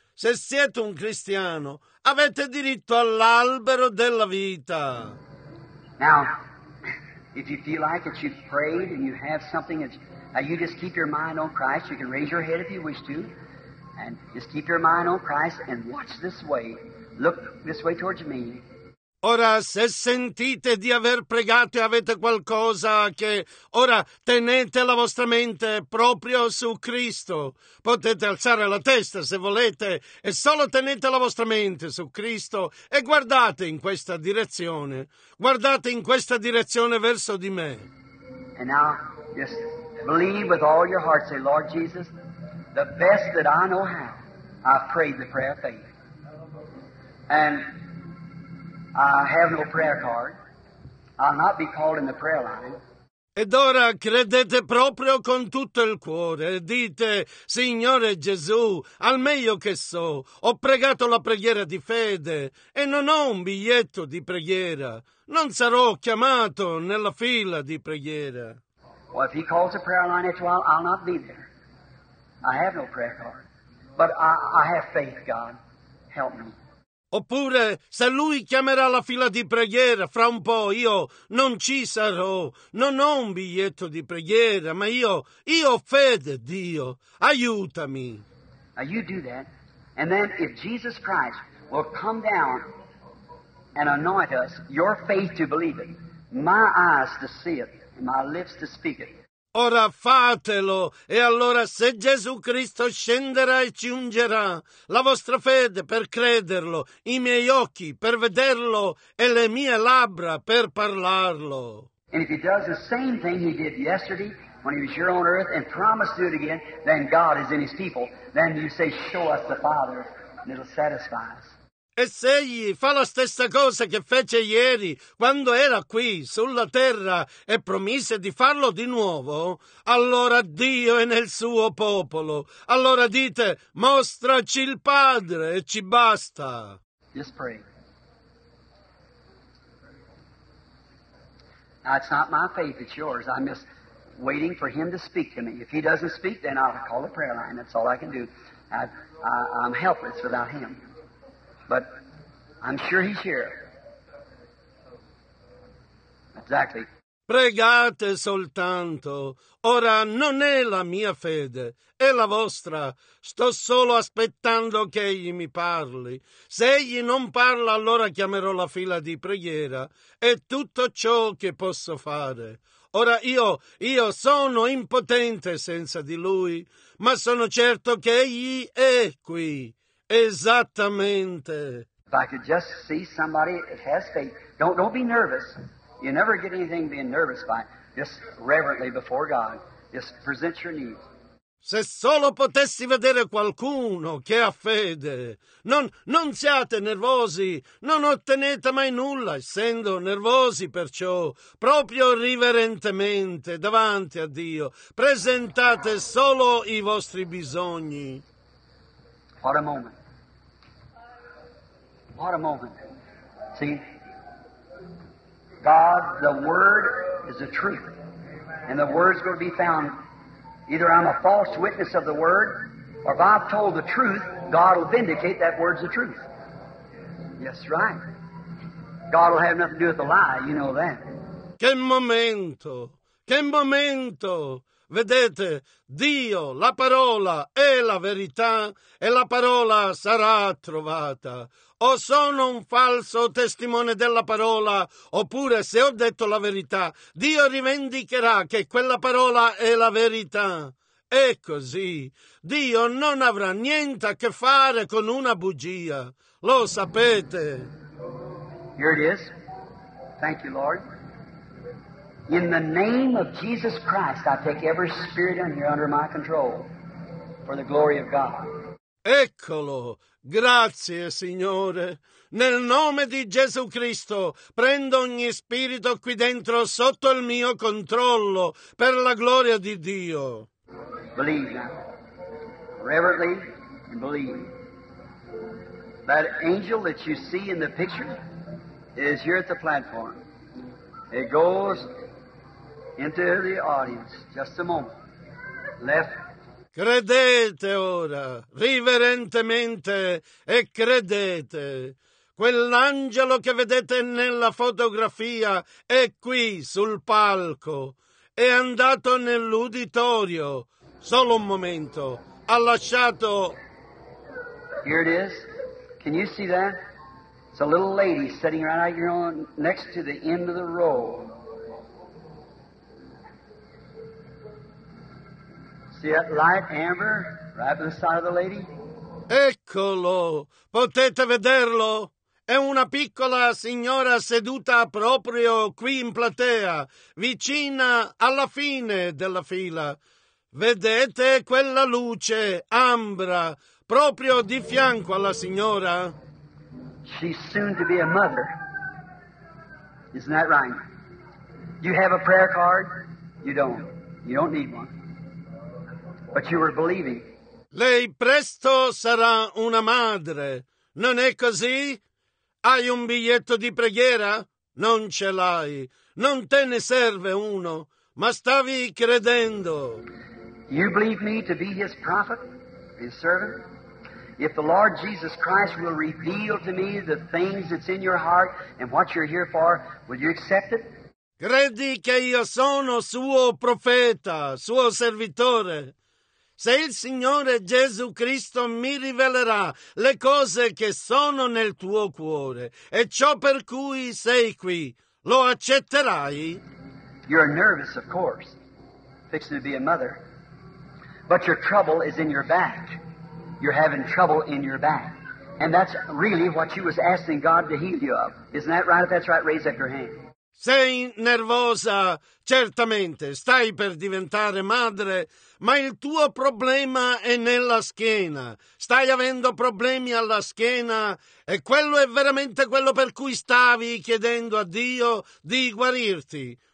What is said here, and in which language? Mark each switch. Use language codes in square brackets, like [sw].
[it] Se siete un cristiano, avete diritto all'albero della vita. [en] Now, if you feel like that you've prayed and you have something, that you just keep your mind on Christ. You can raise your head if you wish to. And just keep your mind on Christ and watch this way. Look this way towards me. [it] Ora, se sentite di aver pregato e avete qualcosa che... Ora, tenete la vostra mente proprio su Cristo. Potete alzare la testa se volete e solo tenete la vostra mente su Cristo e guardate in questa direzione. Guardate in questa direzione verso di me. [en] And now, just believe with all your heart, say, Lord Jesus, the best that I know how, I've prayed the prayer of faith. And I have no prayer card. I'll not be called in the prayer line. [it] Ed ora credete proprio con tutto il cuore. Dite, Signore Gesù, al meglio che so, ho pregato la preghiera di fede e non ho un biglietto di preghiera. Non sarò chiamato nella fila di preghiera. [en] Well, if he calls the prayer line after a while, I'll not be there. I have no prayer card. But I have faith, God. Help me. [it] Oppure, se lui chiamerà la fila di preghiera, fra un po' io non ci sarò. Non ho un biglietto di preghiera, ma io ho fede, Dio. Aiutami. [en] Now you do that. And then if Jesus Christ will come down and anoint us, your faith to believe it, my eyes to see it, and my lips to speak it. [it] Ora fatelo, e allora se Gesù Cristo scenderà e ci ungerà, la vostra fede per crederlo, i miei occhi per vederlo e le mie labbra per parlarlo. [en] And if he does the same thing he did yesterday when he was here on earth and promised to do it again, then God is in his people. Then you say, show us the Father, and it'll satisfy us. [it] E se egli fa la stessa cosa che fece ieri, quando era qui, sulla terra, e promise di farlo di nuovo, allora Dio è nel suo popolo. Allora dite, mostraci il Padre, e ci basta. [en] Just pray. Now, it's not my faith, it's yours. I'm just waiting for him to speak to me. If he doesn't speak, then I'll call the prayer line. That's all I can do. I'm helpless without him. But I'm sure he's here. Exactly. [it] Pregate soltanto. Ora non è la mia fede, è la vostra. Sto solo aspettando che egli mi parli. Se egli non parla, allora chiamerò la fila di preghiera. È tutto ciò che posso fare. Ora io sono impotente senza di lui, ma sono certo che egli è qui. Esattamente. [en] If I could just see somebody that has faith. Don't be nervous. You never get anything being nervous by. Just reverently before God. Just present your needs. [it] Se solo potessi vedere qualcuno che ha fede. Non siate nervosi. Non ottenete mai nulla essendo nervosi perciò. Proprio riverentemente davanti a Dio. Presentate solo i vostri bisogni. [en] What a moment. What a moment. See, God, the Word is the truth. And the Word's going to be found. Either I'm a false witness of the Word, or if I've told the truth, God will vindicate that Word's the truth. Yes, right. God will have nothing to do with the lie, you know that. [it] Che momento! Che momento! Vedete, Dio, la parola, è la verità e la parola sarà trovata. O sono un falso testimone della parola, oppure se ho detto la verità, Dio rivendicherà che quella parola è la verità. È così. Dio non avrà niente a che fare con una bugia. Lo sapete. [en] Here it is. Thank you, Lord. In the name of Jesus Christ, I take every spirit in here under my control for the glory of God. [it] Eccolo! Grazie, Signore! Nel nome di Gesù Cristo prendo ogni spirito qui dentro sotto il mio controllo per la gloria di Dio. [en] Believe now. Reverently and believe. That angel that you see in the picture is here at the platform. It goes into the audience, just a moment. Left. [it] Credete ora, riverentemente, e credete. Quell'angelo che vedete nella fotografia è qui, sul palco. È andato nell'uditorio. Solo un momento. Ha lasciato. [en] Here it is. Can you see that? It's a little lady sitting right out here on, next to the end of the row. See that light amber right by the side of the lady? [it] Eccolo! Potete vederlo? È una piccola signora seduta proprio qui in platea, vicina alla fine della fila. Vedete quella luce ambra proprio di fianco alla signora? [en] She's soon to be a mother. Isn't that right? You have a prayer card? You don't. You don't need one. But you were believing. [it] Lei presto sarà una madre. Non è così? Hai un biglietto di preghiera? Non ce l'hai. Non te ne serve uno. Ma stavi credendo. [en] You believe me to be his prophet, his servant? If the Lord Jesus Christ will reveal to me the things that's in your heart and what you're here for, will you accept it? [it] Credi che io sono suo profeta, suo servitore? Se il Signore Gesù Cristo mi rivelerà le cose che sono nel tuo cuore e ciò per cui sei qui, lo accetterai? [en] You're nervous, of course. fixing to be a mother. But your trouble is in your back. You're having trouble in your back. And that's really what you was asking God to heal you of. Isn't that right? If that's right, raise up your hand. [it] Sei nervosa, certamente. Stai per diventare madre, ma il tuo problema è nella schiena. Stai avendo problemi alla schiena e quello è veramente quello per cui stavi chiedendo a Dio di guarirti.